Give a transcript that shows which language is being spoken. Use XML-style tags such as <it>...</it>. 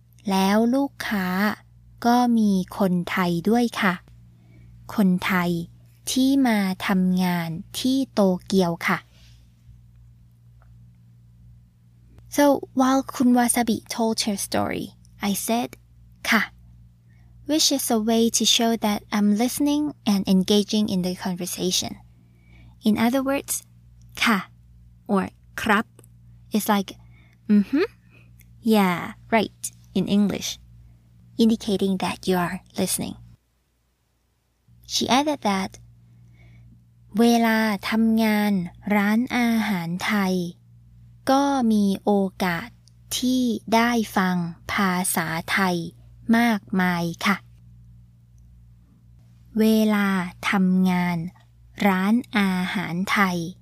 <th>แล้วลูกค้าก็มีคนไทยด้วยค่ะคนไทยที่มาทำงานที่โตเกียวค่ะ</th> <en>So while Kun Wasabi told her story, I said, ka, which is a way to show that I'm listening and engaging in the conversation. In other words, ka, or krap, is like, mm-hmm, yeah, right, in English, indicating that you are listening. She added that,</en> <th>เวลาทำงานร้านอาหารไทยก็มีโอกาสที่ได้ฟังภาษาไทยมากมายค่ะเวลาทำงานร้านอาหารไทย</th>